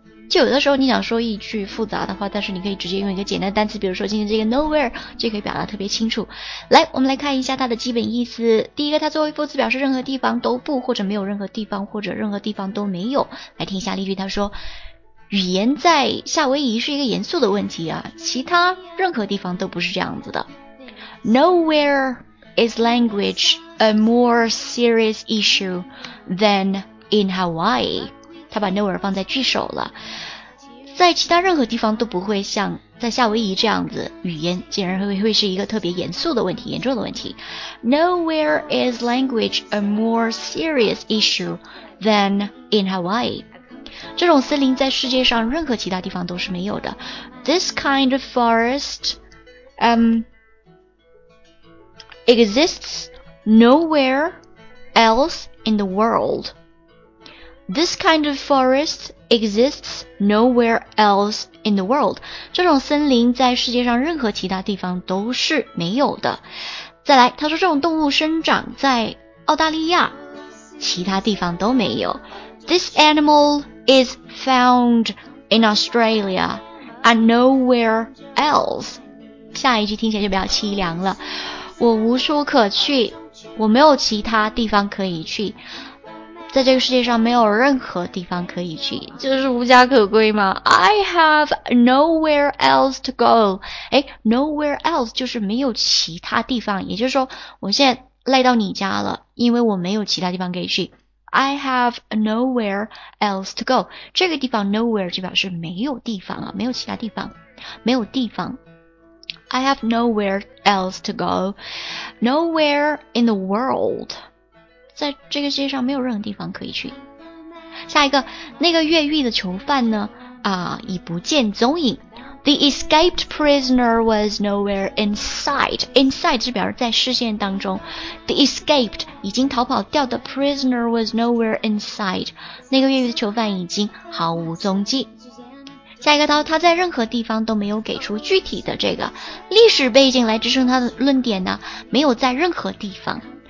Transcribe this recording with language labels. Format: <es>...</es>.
<zh>就有的时候你想说一句复杂的话，但是你可以直接用一个简单单词，比如说今天这个 nowhere 就可以表达特别清楚。来，我们来看一下它的基本意思。第一个，它作为副词表示任何地方都不，或者没有任何地方，或者任何地方都没有。来听一下例句，它说语言在夏威夷是一个严肃的问题啊，其他任何地方都不是这样子的。</zh> <en>Nowhere is language a more serious issue than in Hawaii。</en> <zh>他把 nowhere 放在句首了，在其他任何地方都不会像在夏威夷这样子，语言竟然会是一个特别严肃的问题，严重的问题。</zh> <en>Nowhere is language a more serious issue than in Hawaii。</en> <zh>这种森林在世界上任何其他地方都是没有的。</zh> <en>This kind of forest exists nowhere else in the worldThis kind of forest exists nowhere else in the world.</en> <zh>这种森林在世界上任何其他地方都是没有的。再来，他说这种动物生长在澳大利亚，其他地方都没有。</zh> <en>This animal is found in Australia and nowhere else.</en> <zh>下一句听起来就比较凄凉了。我无处可去，我没有其他地方可以去。在这个世界上没有任何地方可以去，就是无家可归吗？</zh> <en>I have nowhere else to go。</en> <zh>诶，</zh> <en>nowhere else</en> <zh>就是没有其他地方，也就是说我现在赖到你家了，因为我没有其他地方可以去。</zh> <en>I have nowhere else to go，</en> <zh>这个地方 nowhere 就表示没有地方啊，没有其他地方，没有地方。</zh> <en>I have nowhere else to go， nowhere in the world，</en> <zh>在这个世界上没有任何地方可以去。下一个，那个越狱的囚犯呢，已不见踪影。</zh> <en>The escaped prisoner was nowhere in sight.</en> <zh>In sight 是表示在视线当中。</zh> <en>The escaped</en> <zh>已经逃跑掉的</zh> <en>prisoner was nowhere in sight.</en> <zh>那个越狱的囚犯已经毫无踪迹。下一个他在任何地方都没有给出具体的这个历史背景来支撑他的论点呢，没有在任何地方。</zh>